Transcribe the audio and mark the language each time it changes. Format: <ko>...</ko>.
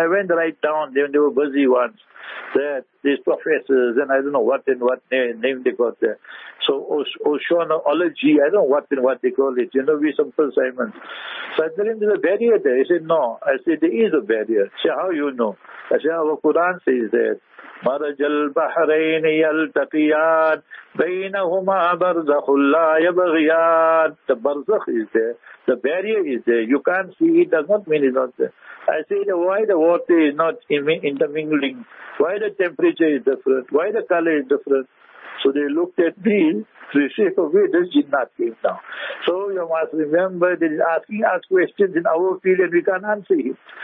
<en>I went right down, when they were busy ones, that these professors, and I don't know what and what name they got there. So oceanology, I don't know what and what they call it. You know, we simple Simon. So I tell him, there's a barrier there. He said, no. I said, there is a barrier. He said, how you know? I said, our Quran says that.</en> <ar>مرج البحرين يلتقيان بينهما برزخ لا يبغيان.</ar> <en>The barzakh is there. The barrier is there. You can't see it. Does not mean it's not there. I say, why the water is not intermingling? Why the temperature is different? Why the color is different? So they looked at me. They say, okay, this jinnat came down. So you must remember, they're asking us questions in our field and we can't answer it.</en>